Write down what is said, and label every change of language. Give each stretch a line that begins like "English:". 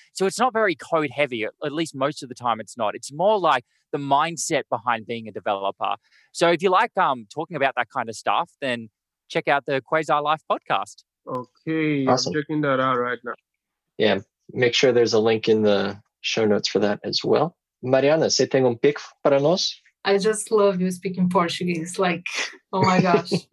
English: So it's not very code heavy, at least most of the time it's not. It's more like the mindset behind being a developer. So if you like talking about that kind of stuff, then check out the Quasar Life podcast. Okay, awesome. I'm checking that out right now. Yeah. Make sure there's a link in the show notes for that as well.
Portuguese: Mariana, você tem pick para nós?
English: I just love you speaking Portuguese. Like, oh my gosh.